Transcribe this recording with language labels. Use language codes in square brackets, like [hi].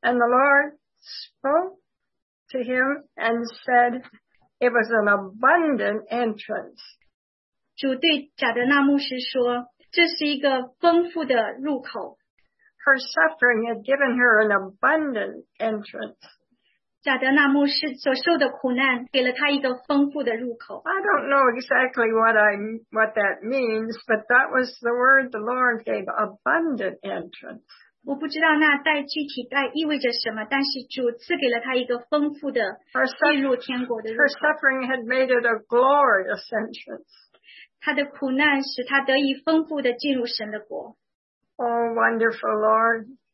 [en] And the Lord spoke to him and said, "It was an abundant entrance." [zh] 主对贾德纳牧师说：“这是一个丰富的入口。” [en] Her suffering had given her an abundant entrance. [zh] 贾德纳牧师所受的苦难给了他一个丰富的入口。 [en] I don't know exactly what that means, but that was the word the Lord gave, abundant entrance. [zh] 我不知道那具体意味着什么，但是主赐给了他一个丰富的进入天国的入口。 [en] Her suffering had made it a glorious entrance. [zh] 他的苦难使他得以丰富的进入神的国。 [en] Oh, wonderful Lord.